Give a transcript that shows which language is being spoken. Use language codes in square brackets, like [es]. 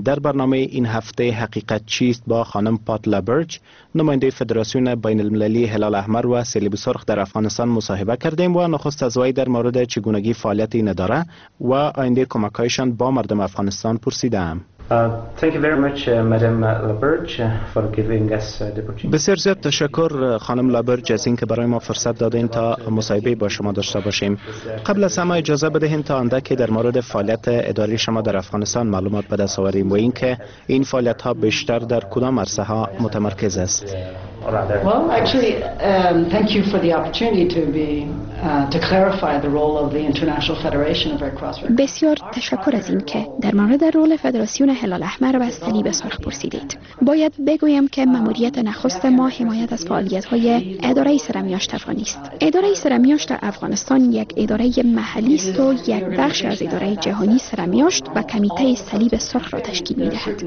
[fa] در برنامه این هفته حقیقت چیست با خانم پاتلا برچ، نماینده فدراسیون بین المللی هلال احمر و صلیب سرخ در افغانستان مصاحبه کردیم و نخست از وی در مورد چگونگی فعالیت این اداره و آینده کمک‌هایشان با مردم افغانستان پرسیدم. [en] Thank you very much, Madam LaBerge, for giving us the opportunity. [fa] بسیار زیاد تشکر خانم LaBerge از اینکه برای ما فرصت دادین تا مصاحبه با شما داشته باشیم. قبل از همه اجازه بدهین تا اندکی در مورد فعالیت اداری شما در افغانستان معلومات به دست آوریم و اینکه این فعالیت ها بیشتر در کدام عرصه ها متمرکز است. [en] Well, actually, thank you for the opportunity to clarify the role of the International Federation of Red Cross. [fa] بسیار تشکر از اینکه در مورد رول فدراسیون هلال احمر و صلیب سرخ پرسیدید. باید بگویم که ماموریت نخست ما حمایت از فعالیت‌های اداره سرمیاشت افغانیست. اداره سرمیاشت افغانستان یک اداره محلی است و یک بخش از اداره جهانی سرمیاشت و کمیته صلیب سرخ را تشکیل می‌دهد.